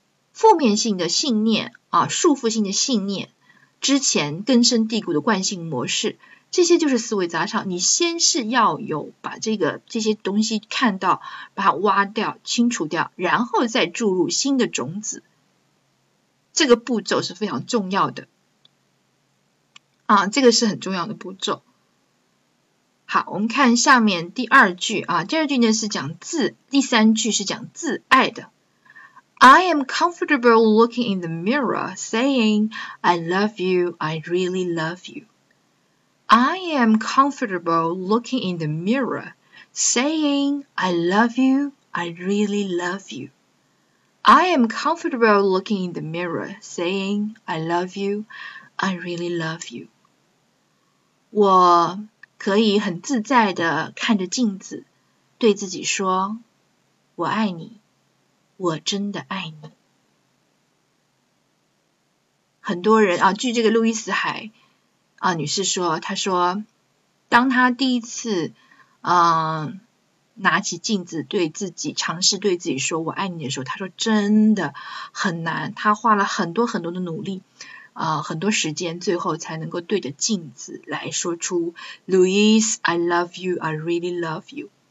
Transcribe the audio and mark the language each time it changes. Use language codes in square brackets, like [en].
[zh] 负面性的信念啊束缚性的信念之前根深蒂固的惯性模式这些就是思维杂草你先是要有把这些东西看到把它挖掉清除掉然后再注入新的种子这个步骤是非常重要的啊，这个是很重要的步骤。好，我们看下面第二句啊，第二句呢是讲自，第三句是讲自爱的。 [en] I am comfortable looking in the mirror, saying, "I love you, I really love you." I am comfortable looking in the mirror, saying, "I love you, I really love you." I am comfortable looking in the mirror, saying, "I love you, I really love you." [zh] 我可以很自在地看着镜子，对自己说，我爱你，我真的爱你。很多人啊，据这个路易斯海啊女士说，她说，当她第一次拿起镜子对自己尝试对自己说我爱你的时候他说真的很难他花了很多很多的努力很多时间最后才能够对着镜子来说出 Louise [en] I love you I really love you